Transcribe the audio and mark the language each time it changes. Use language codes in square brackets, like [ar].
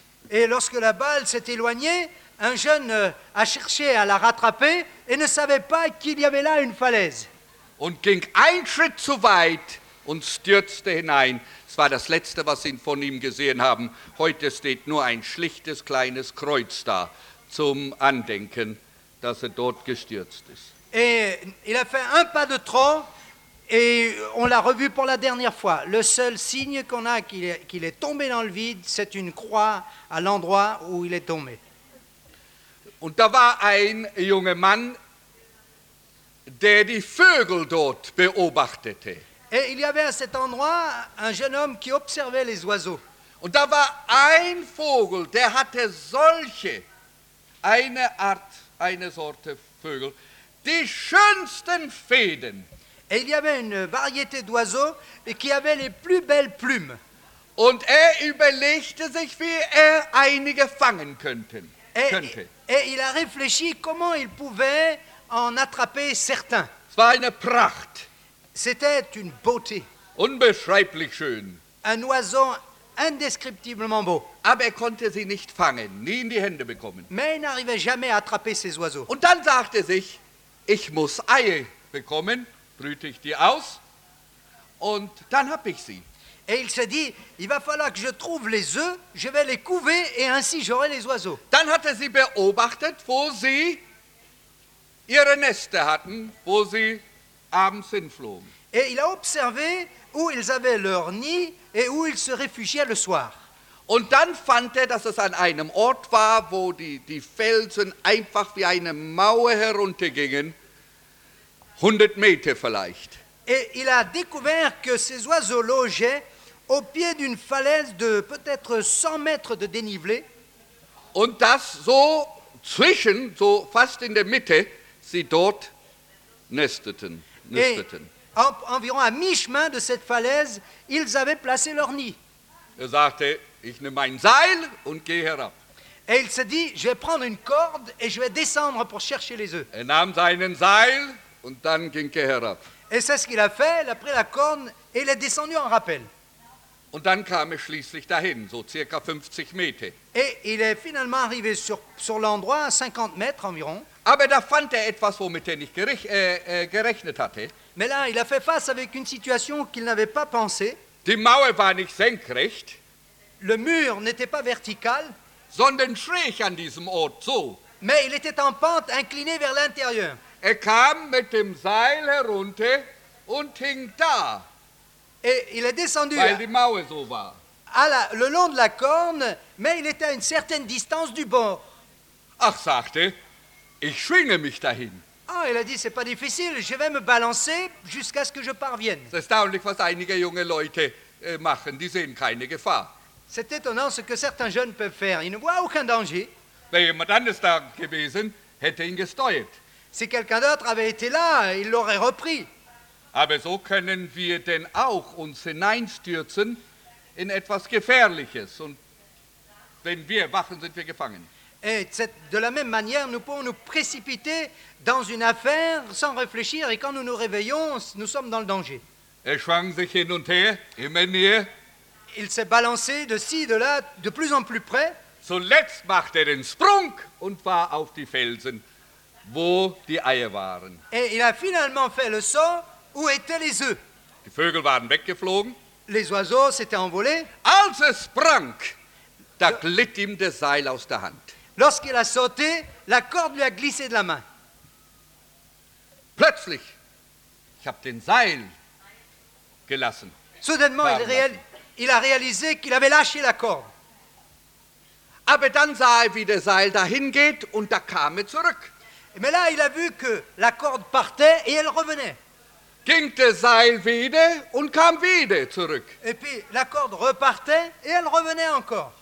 [fr] Et lorsque la balle s'est éloignée, un jeune a cherché à la rattraper et ne savait pas qu'il y avait là une falaise. [de] Und ging einen Schritt zu weit und stürzte hinein. Es war das Letzte, was sie von ihm gesehen haben. Heute steht nur ein schlichtes kleines Kreuz da, zum Andenken, dass er dort gestürzt ist. [fr] Et il a fait un pas de trop et on l'a revu pour la dernière fois. Le seul signe qu'on a qu'il est tombé dans le vide, c'est une croix à l'endroit où il est tombé. [de] Und da war ein junger Mann, der die Vögel dort beobachtete. [fr] Et il y avait à cet endroit un jeune homme qui observait les oiseaux. [de] Und da war ein Vogel, der hatte solche, eine Art, eine Sorte Vögel, die schönsten Federn. [fr] Et il y avait une variété d'oiseaux qui avaient les plus belles plumes. [de] Und er überlegte sich, wie er einige fangen könnte. [fr] Et il a réfléchi comment il pouvait en attraper certains. [de] Es war eine Pracht. [fr] C'était une beauté. [de] Unbeschreiblich schön. [fr] Un oiseau indescriptiblement beau. [de] Aber er konnte sie nicht fangen, nie in die Hände bekommen. [fr] Mais il n'arrivait jamais à attraper ces oiseaux. [de] Und dann sagte sich, ich muss Eier bekommen, brüte ich die aus, und dann habe ich sie. [fr] Et il se dit, il va falloir que je trouve les œufs, je vais les couver et ainsi j'aurai les oiseaux. [de] Dann hat er sie beobachtet, wo sie ihre Nester hatten, wo sie abends hinflogen. [fr] Et il a observé où ils avaient leur nid et où ils se réfugiaient le soir. [de] Und dann fand er, dass es an einem Ort war, wo die Felsen einfach wie eine Mauer heruntergingen, 100 Meter vielleicht. [fr] Et il a découvert que ces oiseaux logeaient au pied d'une falaise de peut-être 100 mètres de dénivelé. [de] Und das so zwischen, so fast in der Mitte, sie dort nesteten. [fr] Environ à mi-chemin de cette falaise, ils avaient placé leur nid. [de] Er sagte, ich nehme mein Seil und gehe herab. [fr] Et il se dit, je vais prendre une corde et je vais descendre pour chercher les œufs. [de] Er nahm seinen Seil und dann ging er herab. [fr] Et c'est ce qu'il a fait, il a pris la corde et il est descendu en rappel. [de] Und dann kam er schließlich dahin, so circa 50 Meter. [fr] Et il est finalement arrivé sur l'endroit à 50 mètres environ. [de] Aber da fand er etwas, womit er nicht gerechnet hatte. [fr] Mais là, il a fait face avec une situation qu'il n'avait pas pensé. [de] Die Mauer war nicht senkrecht. [fr] Le mur n'était pas vertical. [de] Sondern schräg an diesem Ort, so. [fr] Mais il était en pente incliné vers l'intérieur. [de] Er kam mit dem Seil herunter und hing da. [fr] Et il est descendu [de] weil die Mauer so war. [fr] Le long de la corne, mais il était à une certaine distance du bord. [de] Ach, sagte, ich schwinge mich dahin. [fr] Ah, il a dit, c'est pas difficile, je vais me balancer jusqu'à ce que je parvienne. C'est [de] erstaunlich, was einige junge Leute machen, die sehen keine Gefahr. [fr] C'est étonnant ce que certains jeunes peuvent faire, ils ne voient aucun danger. [de] Wenn jemand anders da gewesen, hätte ihn gesteuert. Si quelqu'un d'autre avait été là, il l'aurait repris. Aber so können wir denn auch uns hineinstürzen in etwas Gefährliches. Und wenn wir wachen, sind wir gefangen. [fr] Et de la même manière, nous pouvons nous précipiter dans une affaire sans réfléchir. Et quand nous nous réveillons, nous sommes dans le danger. [de] Er schwang sich hin und her, immer näher. [fr] Il s'est balancé de ci, de là, de plus en plus près. [de] Zuletzt machte er den Sprung und war auf die Felsen, wo die Eier waren. [fr] Et il a finalement fait le saut. Où étaient les œufs? [de] Die Vögel waren weggeflogen. [fr] Les oiseaux s'étaient envolés. [de] Als er sprang, da glitt ihm das Seil aus der Hand. [fr] Lorsqu'il a sauté, la corde lui a glissé de la main. [de] Plötzlich, ich habe den Seil gelassen. [fr] Soudainement, il a réalisé qu'il avait lâché la corde. [de] Aber dann sah er, wie der Seil dahin geht und da kam er zurück. [fr] Mais là, il a vu que la corde partait et elle revenait. [de] Ging der Seil wieder und kam wieder zurück. [fr] Et puis la corde repartait et elle revenait encore.